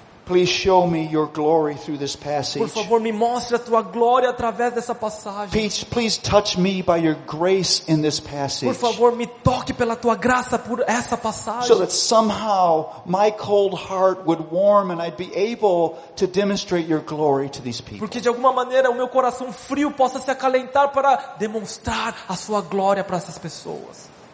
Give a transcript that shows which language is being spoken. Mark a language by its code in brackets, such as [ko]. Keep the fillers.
[en] Please show me your glory through this passage. [pt] Por favor, me mostre tua glória através dessa passagem. [en] Please, please touch me by your grace in this passage. [pt] Por favor, me toque pela tua graça por essa passagem. [en] So that somehow my cold heart would warm and I'd be able to demonstrate your glory to these people. [pt] Porque de alguma maneira o meu coração frio possa se acalentar para demonstrar a sua glória para essas pessoas.